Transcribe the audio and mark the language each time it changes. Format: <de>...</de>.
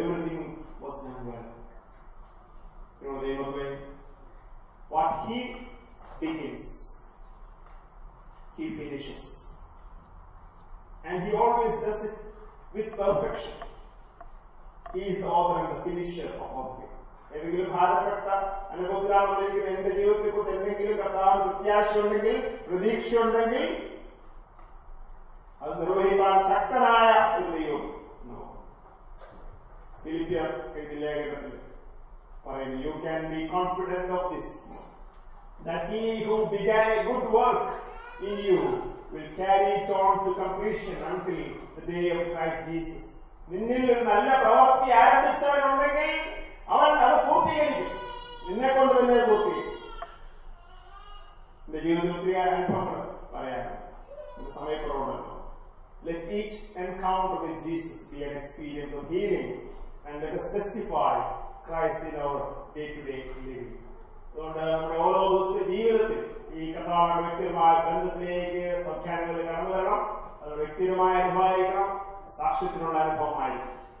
<en>Everything was done well. You know, they were going, what he begins, he finishes. And he always does it with perfection. He is the author and the finisher of our faith.</en> <ml>ഏതെങ്കിലും ഭാരപ്പെട്ട അനുഭവത്തിലാണെന്നുണ്ടെങ്കിൽ, എന്റെ ജീവിതത്തെ കുറിച്ച് എന്തെങ്കിലും കർത്താവിന് പ്രത്യാശയുണ്ടെങ്കിൽ, പ്രതീക്ഷയുണ്ടെങ്കിൽ, അത് നിർവഹിക്കാൻ ശക്തനായ ഒരു ദൈവം. ഫിലിപ്പിയർ എഴുതിയ ലേഖനത്തിൽ പറയുന്നു,</ml> <en>You can be confident of this that he who began a good work in you will carry it on to completion until the day of Christ Jesus.</en> <ml>നിന്നിൽ ഒരു നല്ല പ്രവൃത്തി ആരംഭിച്ചവനുണ്ടെങ്കിൽ അവൻ അത് പൂർത്തീകരിക്കും, എന്നെ കൊണ്ട് തന്നെ പൂർത്തീകരിക്കും. എന്റെ ജീവിതത്തിൽ അനുഭവങ്ങൾ പറയാനാണ് സമയക്കുറവുണ്ടല്ലോ.</ml> <en>Let each encounter with Jesus be an experience of healing and let us testify Christ in our day-to-day living.</en> <ml>അതുകൊണ്ട് നമ്മുടെ ഓരോ ദിവസത്തെ ജീവിതത്തിൽ ഈ കഥാപാത്ര വ്യക്തിപരമായ ബന്ധത്തിലേക്ക് സംഖ്യാനങ്ങളിൽ കടന്നു വരണം. അത് വ്യക്തിപരമായ അനുഭവമായിരിക്കണം, സാക്ഷ്യത്തിനുള്ള അനുഭവമായിരിക്കണം.</ml>